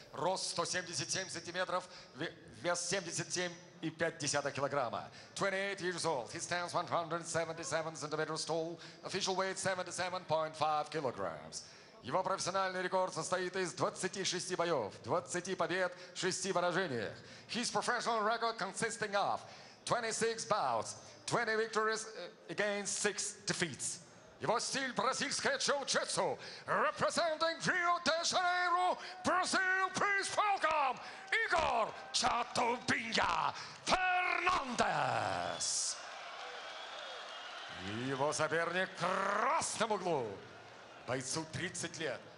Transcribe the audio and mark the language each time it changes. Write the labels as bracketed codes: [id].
[ru] Рост 177 сантиметров. Вес 77,5 килограмма. [en] 28 years old. He stands 177 centimeters tall. Official weight 77.5 kilograms. [ru] Его профессиональный рекорд состоит из 26 боев, 20 побед, 6 поражений. [en] His professional record consisting of 26 bouts, 20 victories against 6 defeats. [ru] Его стиль — бразильское джиу-джитсу. [en] Representing Rio-de-Janeiro, Brazil, please welcome Igor Chatubinha Fernandes. [ru] Его соперник в красном углу. Бойцу 30 лет.